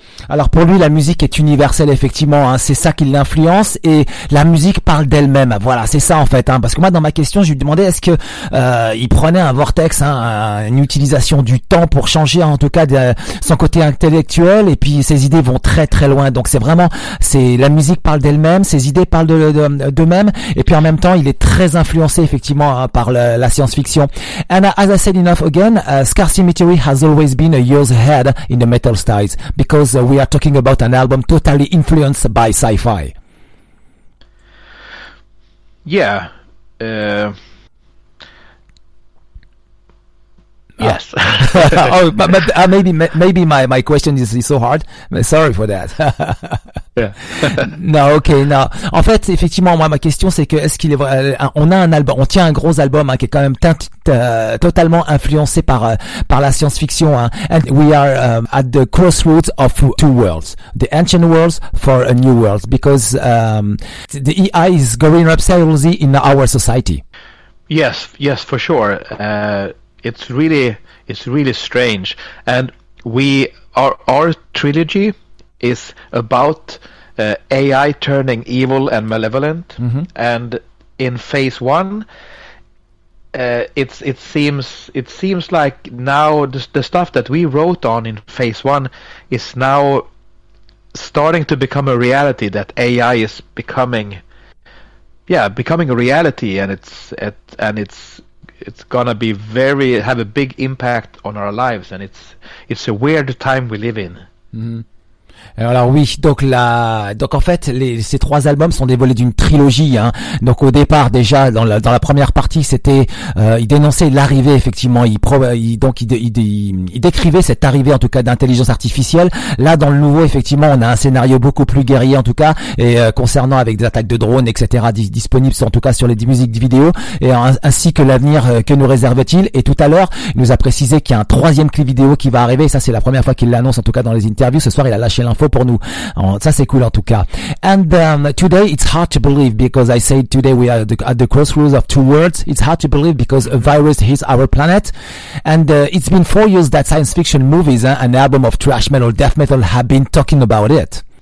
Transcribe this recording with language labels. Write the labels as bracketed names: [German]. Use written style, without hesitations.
[French] Alors pour lui, la musique est universelle effectivement, c'est ça qui l'influence, et la musique parle d'elle-même, voilà, c'est ça en fait, parce que moi dans ma question je lui demandais est-ce que il prenait un vortex, une utilisation du temps pour changer en tout cas son côté intellectuel, et puis ses idées vont très très loin. Donc c'est vraiment, c'est la musique parle d'elle-même, ses idées parlent d'eux-mêmes, et puis en même temps il est très influencé effectivement par la science-fiction. [English] And as I said enough again, Scar Cemetery has always been a year's ahead in the metal styles, because we are talking about an album totally influenced by sci-fi. Yeah. Yes. Oh, maybe my question is so hard. Sorry for that. Yeah. [French] Non, okay, non. En fait, effectivement, moi, ma question, c'est que est-ce qu'il est vrai, on a un album, on tient un gros album qui est quand même totalement influencé par la science-fiction. [English] And we are at the crossroads of two worlds, the ancient worlds for a new world, because the AI is going up seriously in our society. Yes, for sure. It's really strange, and our trilogy is about AI turning evil and malevolent. Mm-hmm. And in phase one, it seems like now the stuff that we wrote on in phase one is now starting to become a reality, that AI is becoming a reality, and it's gonna be very have a big impact on our lives, and it's a weird time we live in. Mm-hmm. [French] Alors oui, donc là, donc en fait, ces trois albums sont des volets d'une trilogie. Hein. Donc au départ, déjà dans la première partie, c'était il dénonçait l'arrivée effectivement. Il décrivait cette arrivée en tout cas d'intelligence artificielle. Là, dans le nouveau, effectivement, on a un scénario beaucoup plus guerrier en tout cas et concernant avec des attaques de drones, etc. Disponibles en tout cas sur les musiques vidéo et ainsi que l'avenir que nous réserve-t-il. Et tout à l'heure, il nous a précisé qu'il y a un troisième clip vidéo qui va arriver. Et ça, c'est la première fois qu'il l'annonce en tout cas dans les interviews. Ce soir, il a lâché l'info pour nous. Ça c'est cool en tout cas. [English] And today it's hard to believe because I said today we are at the crossroads of two worlds. It's hard to believe because a virus hits our planet. And it's been 4 years that science fiction movies and album of trash metal, death metal have been talking about it.